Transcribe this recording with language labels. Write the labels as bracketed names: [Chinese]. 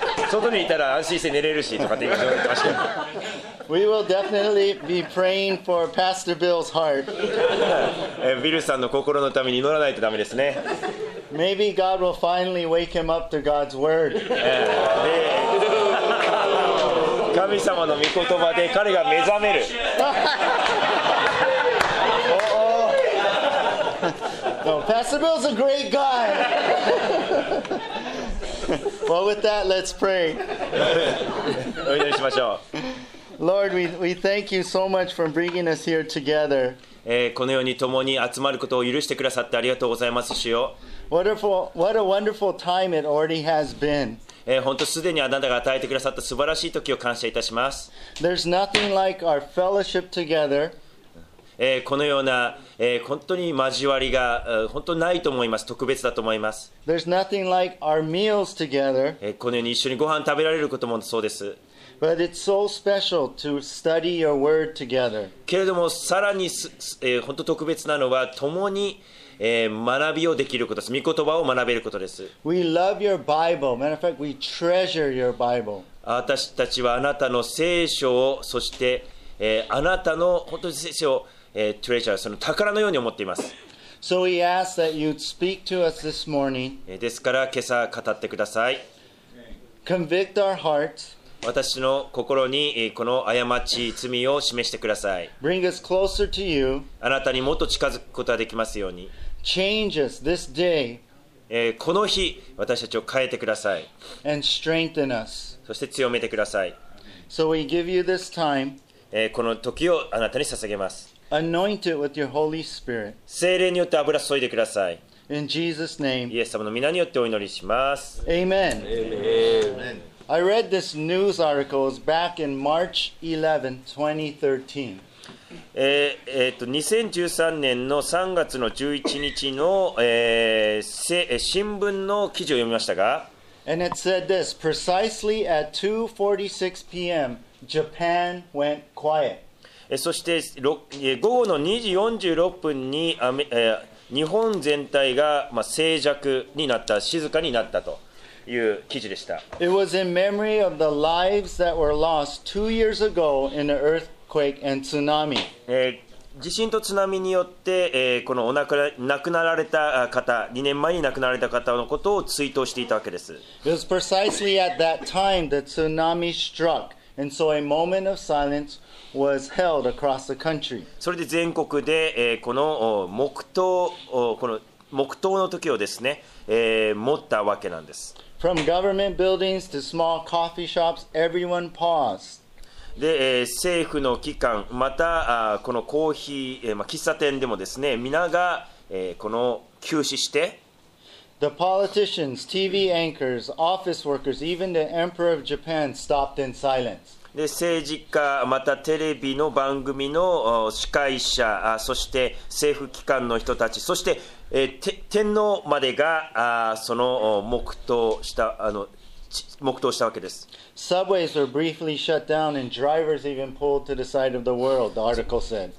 [Japanese] 外にいたら安心して寝れるしとかって言ってましたよ。 [English] We will definitely be praying for Pastor Bill's heart. [Japanese] ビルさんの心のために祈らないとダメですね。 [English] Maybe God will finally wake him up to God's word. [Japanese] 神様の御言葉で彼が目覚める。 [English] No, Pastor Bill's a great guy. Well, with that, let's pray. [Japanese] お祈りしましょう。 [English] Lord, we thank you so much for bringing us here together. [Japanese] このように共に集まることを許してくださってありがとうございますしよ。 [English] What a wonderful time it already has been. [Japanese] 本当すでにあなたが与えてくださった素晴らしい時を感謝いたします。 [English] There's nothing like our fellowship together. [Japanese] このような、本当に交わりが、本当ないと思います。特別だと思います。 [English] There's nothing like our meals together. [Japanese] このように一緒にご飯食べられることもそうです。 [English] But it's so special to study your word together. [Japanese] けれどもさらに、本当特別なのは共に学びをできることです。御言葉を学べることです。 [English] We love your Bible. Matter of fact, we treasure your Bible. [Japanese] 私たちはあなたの聖書を、そして、あなたの本当に聖書を、treasure、 その宝のように思っています。 [English] So we ask that you'd speak to us this morning. [Japanese] ですから今朝語ってください。 [English] Convict our hearts. [Japanese] 私の心にこの過ち、罪を示してください。 [English] Bring us closer to you. [Japanese] あなたにもっと近づくことができますように。 [English] Change us this day. [Japanese] この日、私たちを変えてください。 [English] And strengthen us. [Japanese] そして強めてください。 [English] So we give you this time. [Japanese] この時をあなたに捧げます。 [English] Anoint it with your Holy Spirit. [Japanese] 聖霊によって油注いでください。 [English] In Jesus' name. [Japanese] イエス様の皆によってお祈りします。 [English] Amen. Amen. I read this news article back in March 11, 2013. [Japanese] 2013年の3月の11日の、新聞の記事を読みましたが、 [English] And it said this, precisely at 2:46 p.m. Japan went quiet. [Japanese] そして午後の2時46分に日本全体が、まあ、静寂になった、静かになったという記事でした。 [English] It was in memory of the lives that were lost 2 years ago in the earthquake and tsunami. [Japanese] 地震と津波によって、このお亡くなられた方、2年前に亡くなられた方のことを追悼していたわけです。 [English] It was precisely at that time the tsunami struck, and so a moment of silence was held across the country. [Japanese] それで全国で、この黙祷、この黙祷の時をですね、持ったわけなんです。 [English] From government buildings to small coffee shops, everyone paused. [Japanese] で政府の機関またこのコーヒー、喫茶店でもですね皆がこの休止して [English] The politicians, TV anchors, office workers, even the Emperor of Japan stopped in silence. [Japanese] で政治家またテレビの番組の司会者そして政府機関の人たちそして天皇までがその黙祷したあの黙祷したわけです。 [English] Subways were briefly shut down and drivers even pulled to the side of the world, the article said.